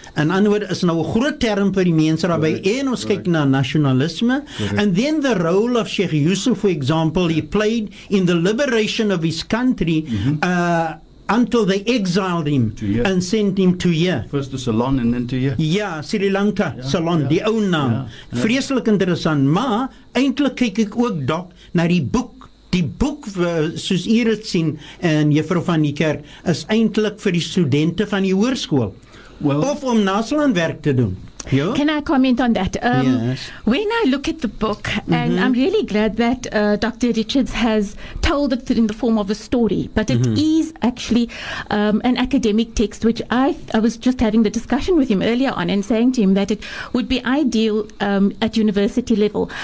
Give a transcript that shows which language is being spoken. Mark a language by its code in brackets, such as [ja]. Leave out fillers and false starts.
[af] En anders is nou 'n groot term vir die mense daarby en ons kyk na nasionalisme [en] and then the role of Sheikh Yusuf, for example, he played in the liberation of his country until they exiled him and sent him to here. First to Ceylon and then to here. [af] Yeah, Sri Lanka, Ceylon, die ou naam. Vreeslik interessant, maar eintlik kyk ek ook dalk na die boek. Die boek, soos u dit sien, en juffrou van die kerk, is eintlik vir die studente van die hoërskool. Well, of om naslaan werk te doen. Jo? [en] Can I comment on that? When I look at the book, and I'm really glad that Dr. Richards has told it in the form of a story, but it is actually an academic text, which I was just having the discussion with him earlier on and saying to him that it would be ideal at university level.